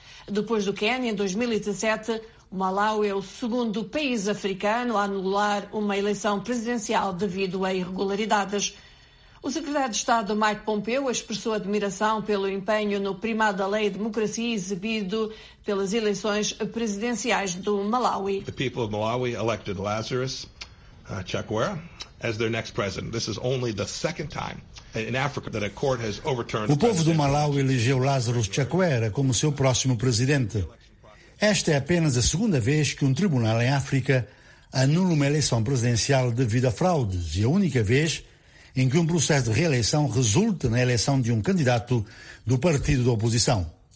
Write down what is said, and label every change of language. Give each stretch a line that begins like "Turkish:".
Portuguese: Depois do Quênia, em 2017, o Malawi é o segundo país africano a anular uma eleição presidencial devido a irregularidades. O secretário de Estado, Mike Pompeo, expressou admiração pelo empenho no primado da lei e democracia exibido pelas eleições presidenciais do Malawi.
English: The people of Malawi elected Lazarus Chakwera as their next president. This is only the second time in Africa that a court has overturned.
Portuguese: O povo do Malawi elegeu Lazarus Chakwera como seu próximo presidente. Esta é apenas a segunda vez que um tribunal em África anula uma eleição presidencial devido a fraudes e a única vez em que um processo de reeleição resulte na eleição de um candidato do partido da oposição.